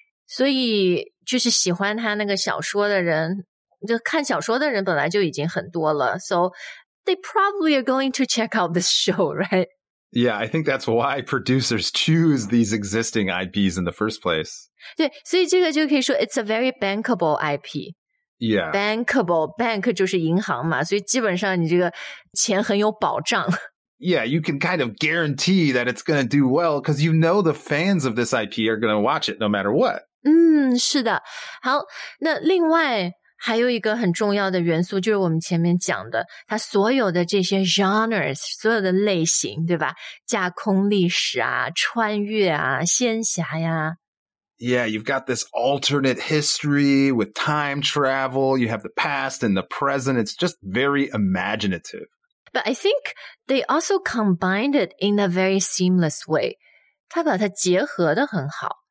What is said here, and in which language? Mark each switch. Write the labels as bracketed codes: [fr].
[zh] 所以就是喜欢他那个小说的人，就看小说的人本来就已经很多了。 [en] So they probably are going to check out this show, right? Yeah, I think that's why producers choose these existing IPs in the first place. [zh] 对，所以这个就可以说 [en] it's a very bankable IP. Yeah. [zh] Bankable, bank 就是银行嘛，所以基本上你这个钱很有保障。 [en] Yeah, you can kind of guarantee that it's going to do well because you know the fans of this IP are going to watch it no matter what. [zh] 嗯，是的。好，那另外还有一个很重要的元素就是我们前面讲的，它所有的这些 genres, 所有的类型，对吧？架空历史啊，穿越啊，仙侠呀。 [en] Yeah, you've got this alternate history with time travel. You have the past and the present. It's just very imaginative. But I think they also combined it in a very seamless way. [zh] 他把它结合得很好。